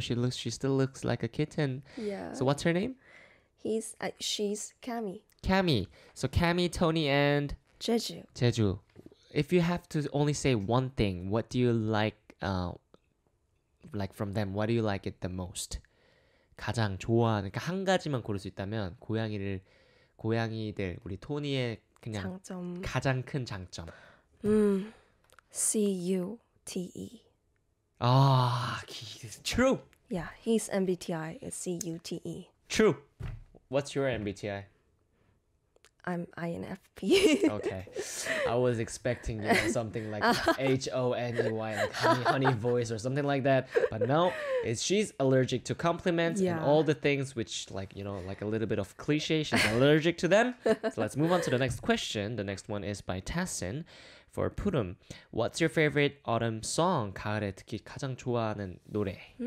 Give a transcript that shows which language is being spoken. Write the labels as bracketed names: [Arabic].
[English] She still looks like a kitten. Yeah. So what's her name? She's Cammy. Cammy. So Cammy, Tony, and? Jeju. Jeju. If you have to only say one thing, what do you like from them? What do you like it the most? [Korean] 가장 좋아하는, 그러니까 한 가지만 고를 수 있다면 고양이들 우리 토니의 그냥 장점. 가장 큰 장점. [English] CUTE. 아, true. Yeah, his MBTI is CUTE. True. What's your MBTI? I'm INFP. Okay. I was expecting you know, something like H-O-N-E-Y, like honey voice or something like that. But no, she's allergic to compliments and all the things which like, you know, like a little bit of cliche, she's allergic to them. So let's move on to the next question. The next one is by Tassin for Purum. What's your favorite autumn song? [Korean] 가을에 특히 가장 좋아하는 노래.